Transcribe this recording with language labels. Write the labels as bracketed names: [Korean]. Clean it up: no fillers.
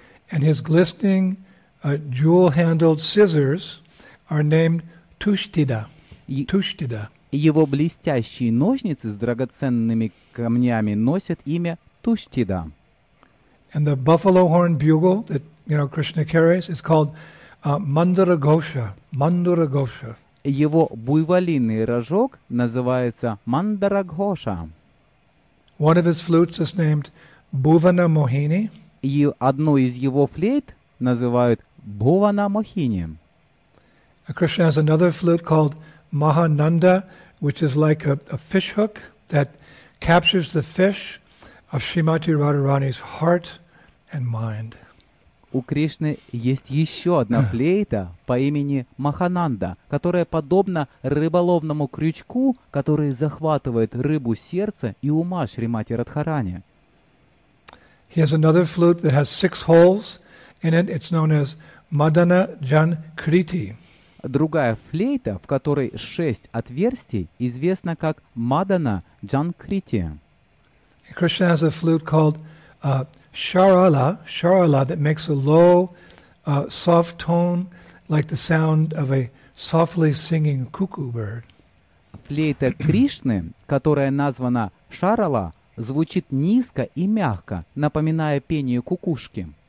[English] And his glistening jewel-handled scissors are named Tushtida. Tushtida. [Russian] Его блестящие ножницы с драгоценными камнями носят имя Tushtida. [English] And the buffalo horn bugle that, you know, Krishna carries is called Mandara Gosha. Mandara Gosha. [Russian] Его буйволиный рожок называется Мандара Гоша. [English] One of his flutes is named Bhuvana Mohini. [Russian] И одну из его флейт называют Бхувана Мохини. [English] Krishna has another flute called Mahananda, which is like a fish hook that captures the fish of Shrimati Radharani's heart and mind. [Russian] У Кришны есть еще одна флейта по имени Махананда, которая подобна рыболовному крючку, который захватывает рыбу сердца и ума Шримати Радхарани. [English] He has another flute that has six holes in it. It's known as Madana Jankriti. [Russian] Другая флейта, в которой шесть отверстий, известна как Мадана Джанкрити. [English] Krishna has a flute called Sharala, Sharala, that makes a low, soft tone, like the sound of a softly singing cuckoo bird. [Russian] Флейта Кришны, которая названа Шарала, звучит низко и мягко, напоминая пение кукушки.